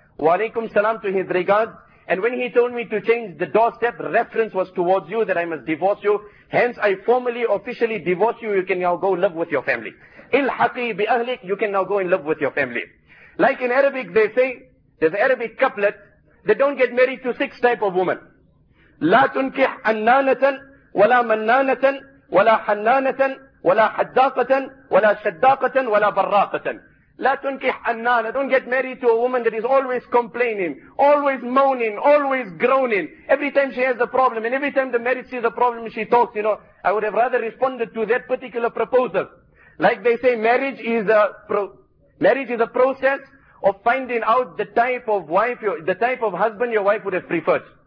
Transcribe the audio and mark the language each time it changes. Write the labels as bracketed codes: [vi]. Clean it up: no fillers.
[en] Wa alaykum salam to his regards. And when he told me to change the doorstep, reference was towards you that I must divorce you. Hence, I formally, officially divorce you. You can now go live with your family. [ar] Ilhaqi bi ahlik, [en] you can now go and live with your family. Like in Arabic, they say, there's an Arabic couplet, they don't get married to six type of women. [ar] لا تنكح أنانةً ولا منانةً ولا حنانةً ولا حداقةً ولا شداقةً ولا براقةً. لا تنكح أنانة. [en] Don't get married to a woman that is always complaining, always moaning, always groaning. Every time she has a problem, and every time the married sees a problem, she talks, you know, I would have rather responded to that particular proposal. Like they say, marriage is a process of finding out the type of wife, the type of husband your wife would have preferred.